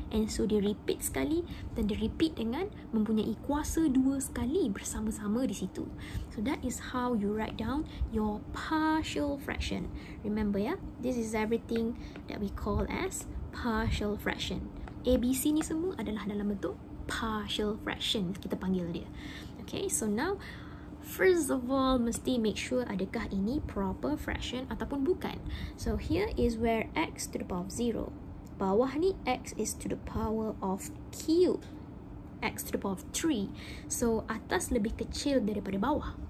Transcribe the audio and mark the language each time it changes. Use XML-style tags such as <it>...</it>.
<en>And so</en> <ms>dia repeat sekali dan dia repeat dengan mempunyai kuasa dua sekali bersama-sama di situ.</ms> <en>So that is how you write down your partial fraction. Remember, yeah, this is everything that we call as partial fraction.</en> <ms>ABC ni semua adalah dalam bentuk partial fraction, kita panggil dia.</ms> <en>Okay, so now first of all,</en> <ms>mesti</ms> <en>make sure</en> <ms>adakah ini</ms> <en>proper fraction</en> <ms>ataupun bukan.</ms> <en>So here is where x to the power of 0,</en> <ms>bawah ni</ms> <en>x is to the power of cube, x to the power of 3.</en> <ms>So atas lebih kecil daripada bawah.</ms>